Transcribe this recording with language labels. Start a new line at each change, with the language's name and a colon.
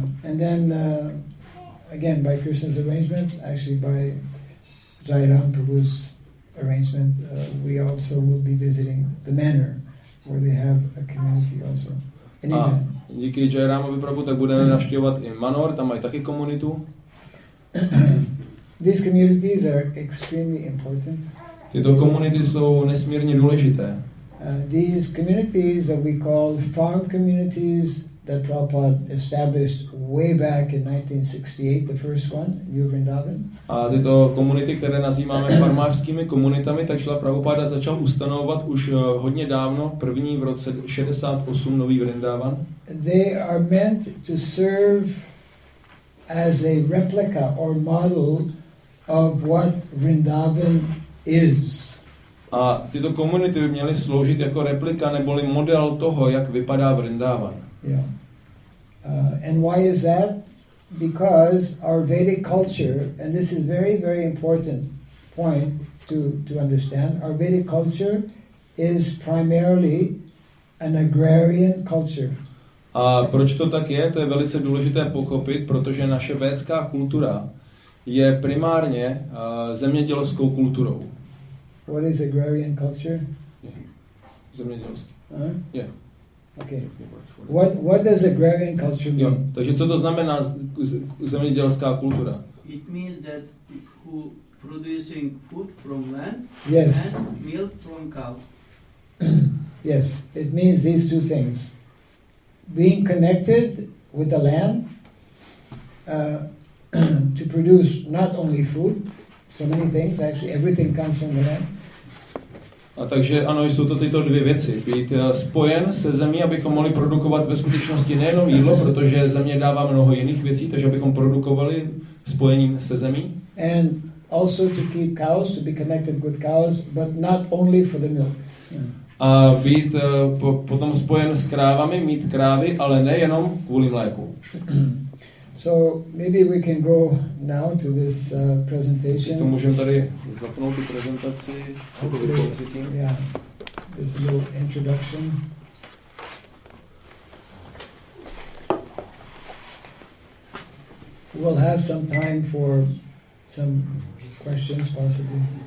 English: And then, again, by Krishna's arrangement, actually by Jairam Prabhu's arrangement, we also will be visiting the manor, where they have a community also.
Czech: And díky Jairamovi Prabhu, tak budeme navštěvovat i manor, tam mají taky komunitu.
English: These communities are extremely important.
Czech: Tyto komunity jsou nesmírně důležité.
English: These communities that we call farm communities that Prabhupada established way back in 1968, the first one, New Vrindavan.
Czech: A tyto komunity, které nazýváme farmářskými komunitami, tak šla Prabhupada začal ustanovovat už hodně dávno, první v roce 68 Nový Vrindavan.
English: They are meant to serve as a replica or model of what Vrindavan is.
Czech: A tyto komunity by měly sloužit jako replika neboli model toho, jak vypadá Vrindavan.
English: And why is that? Because our Vedic culture, and this is very, very important point to understand, our Vedic culture is primarily an agrarian culture.
Czech: A proč to tak je? To je velice důležité pochopit, protože naše védská kultura je primárně zemědělskou kulturou.
English: What is agrarian culture?
Czech: Zemědělské. Huh?
English: Yeah. Okay. What does agrarian culture mean?
Czech: Takže co to znamená zemědělská kultura?
English: It means that who producing food from land, yes, and milk from cow. Yes, it means these two things. Being connected with the land to produce not only food, so many things, actually everything comes from the land.
Czech: A takže ano, jsou to tyto dvě věci. Být spojen se zemí, abychom mohli produkovat ve skutečnosti nejenom jídlo, protože země dává mnoho jiných věcí, takže abychom produkovali spojením se zemí.
English: And also to keep cows, to be connected with cows, but not only for the milk.
Czech: A být potom spojen s krávami, mít krávy, ale nejenom kvůli mléku.
English: So maybe we can go now to this presentation.
Czech: To můžeme tady zapnout tu prezentaci. Co to vypadá tím?
English: Yeah, this little introduction. We'll have some time for some questions possibly.